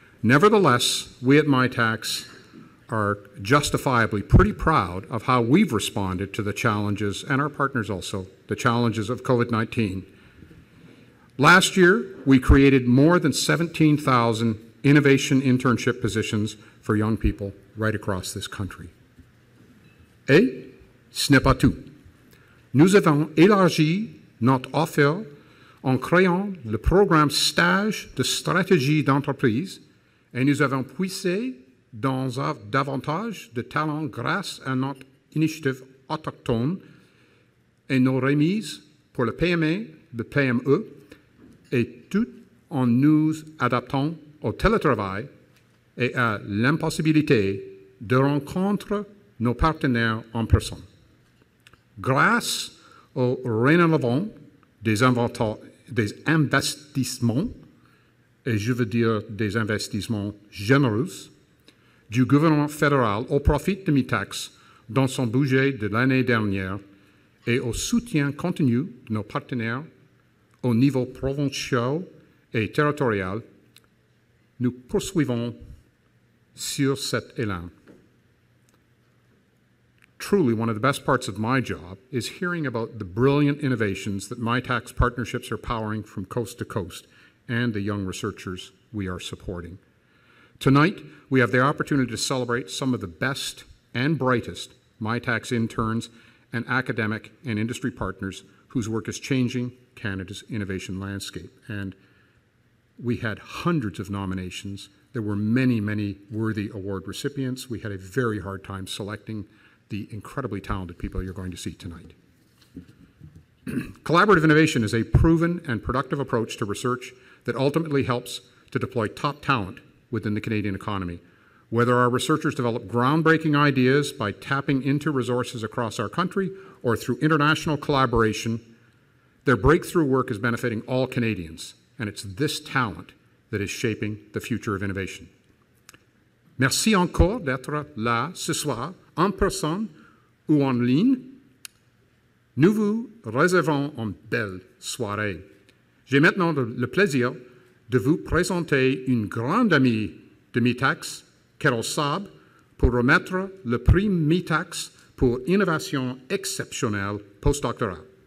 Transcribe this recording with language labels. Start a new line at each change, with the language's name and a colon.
English: Nevertheless, we at MiTax are justifiably pretty proud of how we've responded to the challenges, and our partners also, the challenges of COVID-19. Last year, we created more than 17,000 innovation internship positions for young people right across this country.
French: Et ce n'est pas tout. Nous avons élargi notre offre en créant le programme Stage de stratégie d'entreprise et nous avons puissé dans davantage de talents grâce à notre initiative autochtone et nos remises pour le PME, le PME, et tout en nous adaptant au télétravail et à l'impossibilité de rencontrer nos partenaires en personne. Grâce au rénovant des investissements, et je veux dire des investissements généreux, du gouvernement fédéral au profit de MiTax dans son budget de l'année dernière et au soutien continu de nos partenaires au niveau provincial et territorial, nous poursuivons sur cet élan.
English: Truly, one of the best parts of my job is hearing about the brilliant innovations that MiTax partnerships are powering from coast to coast and the young researchers we are supporting. Tonight, we have the opportunity to celebrate some of the best and brightest MiTax interns and academic and industry partners whose work is changing Canada's innovation landscape. And we had hundreds of nominations. There were many, many worthy award recipients. We had a very hard time selecting the incredibly talented people you're going to see tonight. Collaborative innovation is a proven and productive approach to research that ultimately helps to deploy top talent within the Canadian economy. Whether our researchers develop groundbreaking ideas by tapping into resources across our country or through international collaboration, their breakthrough work is benefiting all Canadians, and it's this talent that is shaping the future of innovation.
French: Merci encore d'être là ce soir, en personne ou en ligne. nous vous réservons une belle soirée. J'ai maintenant le plaisir de vous présenter une grande amie de Meetax, Carol Saab, pour remettre le prix Meetax pour innovation exceptionnelle postdoctorat.